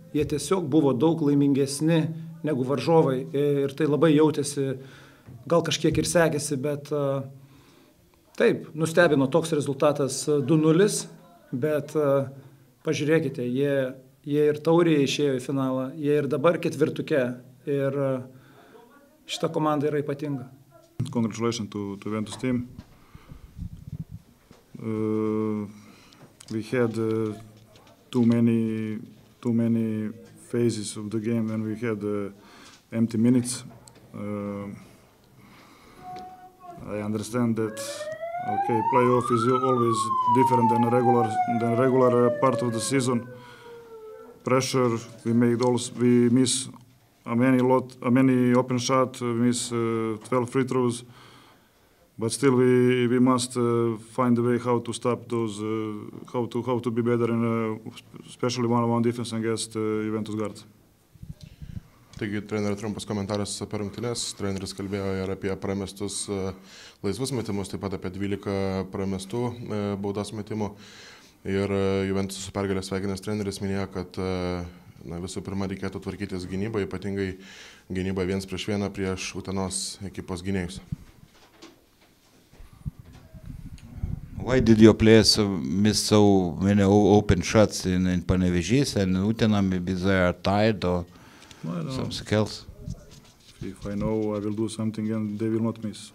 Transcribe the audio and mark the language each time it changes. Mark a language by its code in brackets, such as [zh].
[lt] Jie tiesiog buvo daug laimingesni negu varžovai ir tai labai jautėsi, gal kažkiek ir sekėsi, bet taip, nustebino toks rezultatas 2-0, bet pažiūrėkite, jie Jie ir taurėje išėjo į finalą, jie ir dabar ketvirtuke. Ir šita komanda yra ypatinga. [en] Congratulations to Juventus team. We had too many phases of the game and we had empty minutes. I understand that okay, playoff is always different than regular part of the season. Pressure, we miss a many open shot, we miss 12 free throws. But still we must find a way how to stop those how to be better in especially one-on-one defense against Juventus guard. [lt] Taigi, trenerio trumpas komentaras per rungtynes. Treneris kalbėjo ir apie pramestus laisvus metimus, taip pat apie 12 pramestų baudos metimų. Ir Juventus su pergalės sveikinęs treneris minėjo, kad visų pirma reikėtų tvarkytis gynybą, ypatingai gynybą viens prieš vieną prieš Utenos ekipos gynėjus. [en] Why did your players miss so many open shots in Panevėžys and Utena? Maybe they are tired or... Well, some skills. If I know, I will do something, and they will not miss.